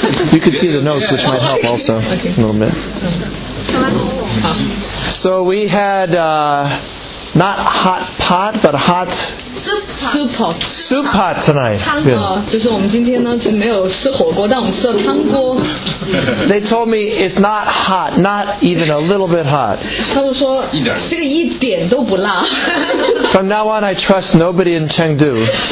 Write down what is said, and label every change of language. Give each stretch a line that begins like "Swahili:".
English: You can see the notes, which might help also a little bit. So we had not hot pot, but hot soup pot tonight.
Chinese: 汤锅，就是我们今天呢是没有吃火锅，但我们吃了汤锅。
English: They told me it's not hot, not even a little bit hot.
Chinese: 他们说这个一点都不辣。
English: From now on, I trust nobody in Chengdu.